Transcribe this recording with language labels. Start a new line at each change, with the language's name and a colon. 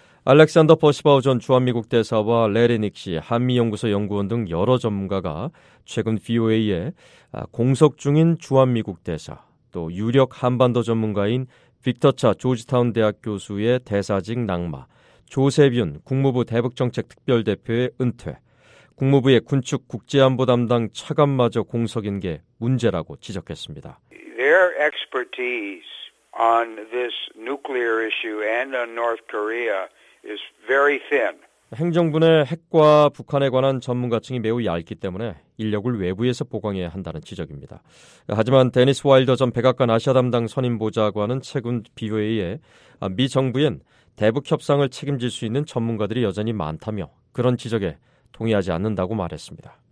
Korean: 알렉산더 버시바우 전 주한미국 대사와 레리 닉시, 한미연구소 연구원 등 여러 전문가가 최근 VOA에 공석 중인 주한미국 대사, 또 유력 한반도 전문가인 빅터 차 조지타운 대학 교수의 대사직 낙마, 조세빈 국무부 대북정책특별대표의 은퇴, 국무부의 군축 국제안보 담당 차관마저 공석인 게 문제라고 지적했습니다.
English: Their expertise on this nuclear issue and on North Korea is very thin.
Korean: 행정부 내 핵과 북한에 관한 전문가층이 매우 얇기 때문에 인력을 외부에서 보강해야 한다는 지적입니다. 하지만 데니스 와일더 전 백악관 아시아 담당 선임 보좌관은 최근 BOA에 미 정부엔 대북 협상을 책임질 수 있는 전문가들이 여전히 많다며 그런 지적에 동의하지 않는다고 말했습니다.